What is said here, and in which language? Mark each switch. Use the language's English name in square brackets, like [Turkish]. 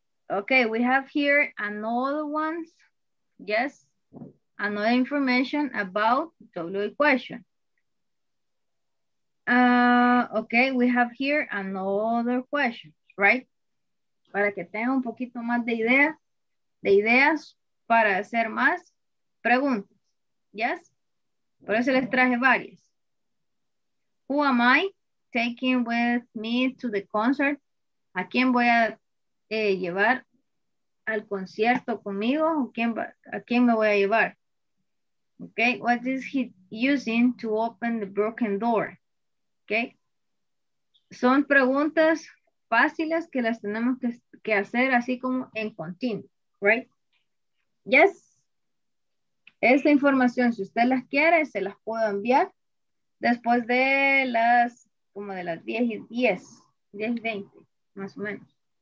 [English] Okay, we have here another ones. Yes, another information about WH question. Okay, we have here another question, right? [Spanish] Para que tenga un poquito más de ideas, para hacer más preguntas. Yes, por eso les traje varias. [English] Who am I taking with me to the concert? [Spanish] ¿A quién voy a llevar al concierto conmigo? ¿A quién me voy a llevar? [English] Okay, what is he using to open the broken door? [Spanish] Okay, son preguntas fáciles que las tenemos que hacer así como en continuo, right? Yes, esta información, si usted las quiere, se las puedo enviar después de las, como de las 10 y 20, más o menos.